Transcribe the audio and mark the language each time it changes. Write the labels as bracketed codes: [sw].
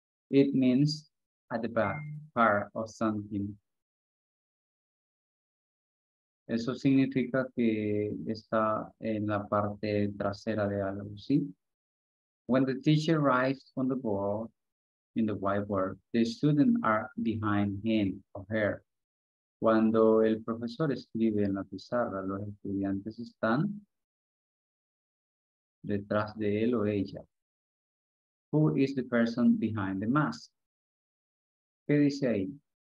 [en] It means at the back part of something. [es] Eso significa que está en la parte trasera de algo, ¿sí? [en] When the teacher writes on the board, in the whiteboard, the students are behind him or her. [es] Cuando el profesor escribe en la pizarra, los estudiantes están detrás de él o ella. [en] Who is the person behind the mask? [es] ¿Qué dice ahí?